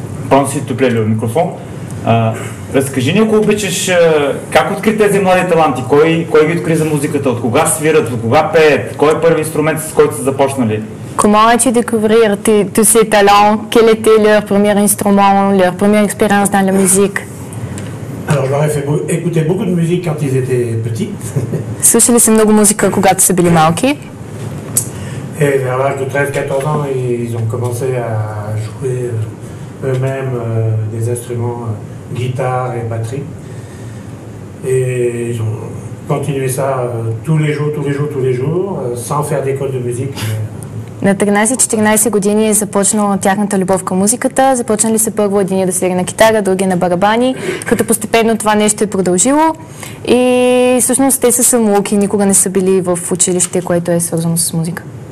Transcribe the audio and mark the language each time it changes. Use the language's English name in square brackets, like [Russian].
[Bulgarian] Панси, топлели от микрофон. Разкажи ни, ако обичаш, как откри тези млади таланти? Кой ги откри за музиката? От кога свират? От кога пеят? Кой е първи инструмент, с който са започнали? [French] Comment as-tu découvert tous ces talents? Quel était leur premier instrument, leur première expérience dans la musique? Alors, j'aurais fait écouter beaucoup de musique quand ils étaient petits. [Bulgarian] Слушали са много музика, когато са били малки. [French] Et vers l'âge de 13-14 ans, ils ont commencé à jouer eux-mêmes des instruments, guitare et batterie. Et ils ont continué ça tous les jours, sans faire d'école de musique. [Bulgarian] На 13-14 години е започнала тяхната любов към музиката. Започнали са първо един да свири на китара, други на барабани, като постепенно това нещо е продължило. И всъщност те са самоуки, никога не са били в училище, което е свързано с музика.